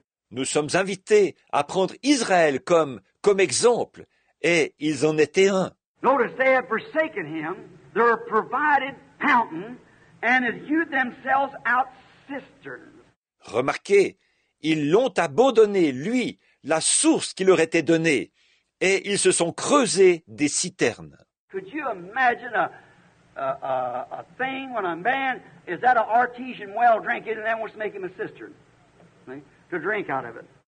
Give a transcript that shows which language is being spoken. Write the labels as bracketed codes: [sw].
[fr] Nous sommes invités à prendre Israël comme exemple, et ils en étaient un. [en] Notice, they have forsaken him, their provided fountain, and have hewed themselves out cisterns. [fr] Remarquez, ils l'ont abandonné, lui, la source qui leur était donnée, et ils se sont creusés des citernes. [en] Could you imagine a thing when a man is at an artesian well drinking and then wants to make him a cistern, to drink out of it?